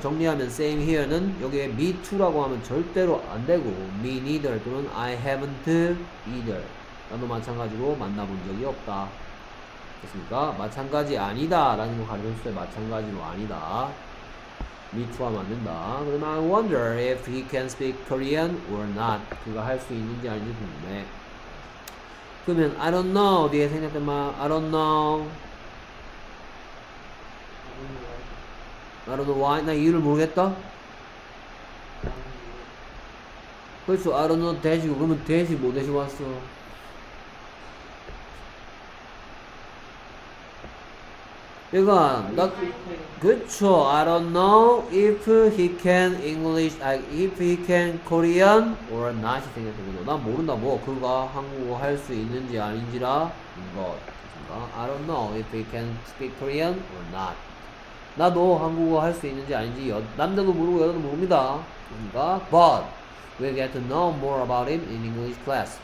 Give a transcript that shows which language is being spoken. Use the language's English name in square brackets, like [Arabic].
[Korean] 정리하면 [English] same here는 여기에 me too라고 [Korean] 하면 절대로 안 되고 [English] me neither 또는 I haven't either. [Korean] 나도 마찬가지로 만나본 적이 없다. 됐습니까? 마찬가지 아니다 라는 거 가르쳤을 때 마찬가지로 아니다. me too와 맞는다. 그러면 [English] I wonder if he can speak Korean or not. [Korean] 그가 할 수 있는지 아닌지 궁금해. 그러면 [English] I don't know [Korean] 뒤에 생각된 말 [English] I don't know. I don't know why. [Korean] 나 이유를 모르겠다. 그렇죠. I don't know 대시고 그러면 대시 뭐 대시 왔어. 얘가 나 그렇죠. [English] I don't know if he can English, if he can Korean or not [Korean] 생각했거든. 난 모른다. 뭐 그가 한국어 할 수 있는지 아닌지라 이거. [English] I don't know if he can speak Korean or not. [Korean] 나도 한국어 할 수 있는지 아닌지 남자도 모르고 여자도 모릅니다. 그러니까 [English] but we get to know more about him in English class.